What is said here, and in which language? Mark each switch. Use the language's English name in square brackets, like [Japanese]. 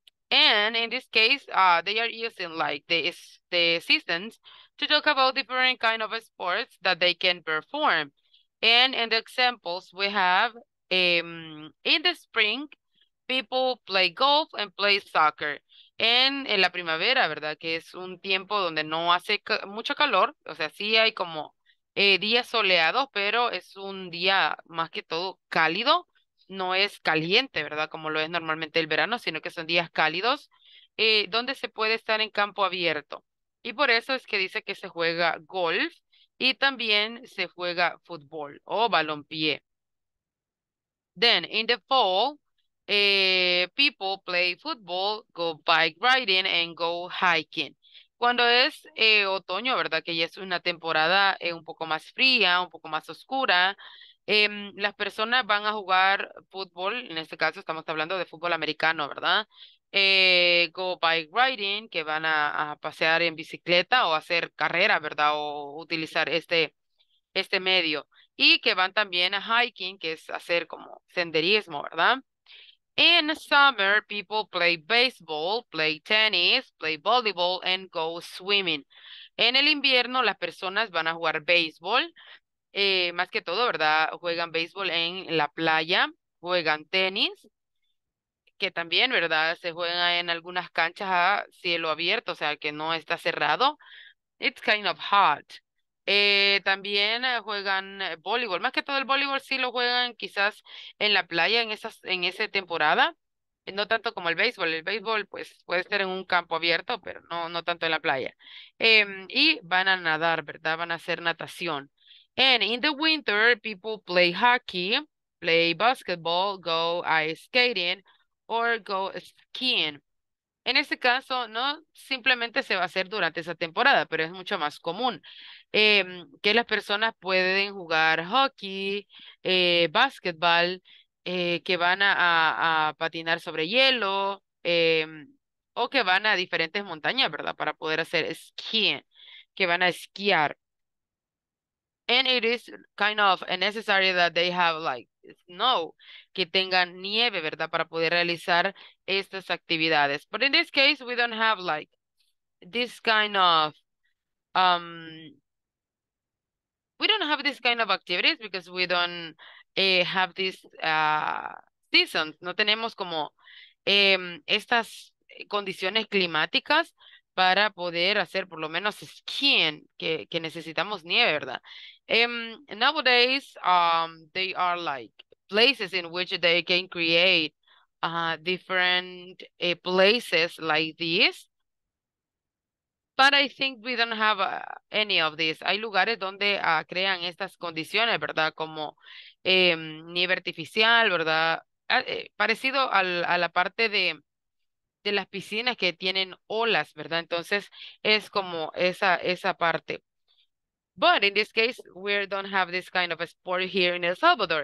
[English] And in this case, they are using like the seasons to talk about different kind of sports that they can perform. And in the examples, we have in the spring, people play golf and play soccer. [Spanish] En la primavera, ¿verdad? Que es un tiempo donde no hace mucho calor. O sea, sí hay como días soleados, pero es un día más que todo cálido. No es caliente, ¿verdad? Como lo es normalmente el verano, sino que son días cálidos donde se puede estar en campo abierto. Y por eso es que dice que se juega golf y también se juega fútbol o balompié. [English] Then, in the fall, people play football, go bike riding, and go hiking. [Spanish] Cuando es otoño, ¿verdad? Que ya es una temporada un poco más fría, un poco más oscura, las personas van a jugar fútbol, en este caso estamos hablando de fútbol americano, ¿verdad? [English] Go bike riding, [Spanish] que van a pasear en bicicleta o hacer carrera, ¿verdad? O utilizar este medio. Y que van también a hiking, que es hacer como senderismo, ¿verdad? [English] In summer, people play baseball, play tennis, play volleyball, and go swimming. [Spanish] En el invierno, las personas van a jugar béisbol, más que todo, ¿verdad? Juegan béisbol en la playa, juegan tenis, que también, ¿verdad? Se juega en algunas canchas a cielo abierto, o sea, que no está cerrado. [English] It's kind of hot. [Spanish] También juegan voleibol, más que todo el voleibol sí lo juegan quizás en la playa en esa temporada, no tanto como el béisbol pues puede ser en un campo abierto, pero no tanto en la playa. Y van a nadar, ¿verdad? Van a hacer natación. [English] And in the winter, people play hockey, play basketball, go ice skating, or go skiing. [Spanish] En este caso, no simplemente se va a hacer durante esa temporada, pero es mucho más común que las personas pueden jugar hockey, básquetbol, que van a patinar sobre hielo o que van a diferentes montañas, ¿verdad? Para poder hacer skiing, que van a esquiar. [English] And it is kind of necessary that they have like snow, [Spanish] que tengan nieve, ¿verdad? Para poder realizar estas actividades. [English] But in this case, we don't have like this kind of, we don't have this kind of activities because we don't have these seasons. [Spanish] No tenemos como estas condiciones climáticas para poder hacer por lo menos skiing, que necesitamos nieve, ¿verdad? [English] Nowadays, they are like places in which they can create different places like this. But I think we don't have any of this. [Spanish] Hay lugares donde crean estas condiciones, ¿verdad? Como nieve artificial, ¿verdad? Parecido a la parte de las piscinas que tienen olas, ¿verdad? Entonces es como esa parte. [English] But in this case, we don't have this kind of a sport here in El Salvador.